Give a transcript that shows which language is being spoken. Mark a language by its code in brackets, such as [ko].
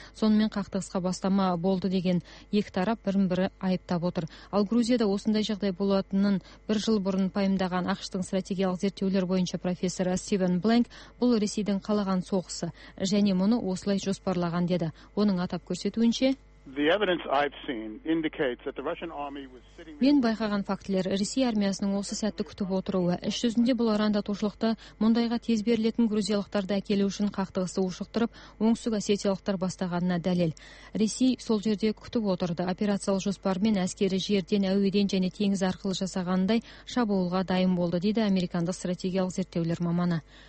[kk] Сонымен қақтығысқа бастама болды деген екі тарап бірін-бірі айыптап отыр. Ал Грузияда осындай жағдай болатынын бір жыл бұрын пайымдаған АҚШ-тың стратегиялық зерттеулер бойынша профессор Стивен Бланк бұл Ресейдің қалаған соғысы және мұны осылай жоспарлаған деді. Оның атап көрсету [en] The evidence I've seen indicates that the Russian army was sitting. [kk] Мен байқаған фактілер Ресей армиясының осы сәтті күтіп отыруы, іш жүзінде бұл арандатушылықты мұндайға тез берілетін грузиялықтарды әкелу үшін қақтығысы ушықтырып, оңтүстік осетиялықтар бастағанына дәлел. Ресей сол жерде күтіп отырды. Операциялық жоспармен әскері жерден, әуеден және теңіз арқылы жасағандай шабуылға дайын болды, дейді американдық стратегиялық зерттеулер маманы.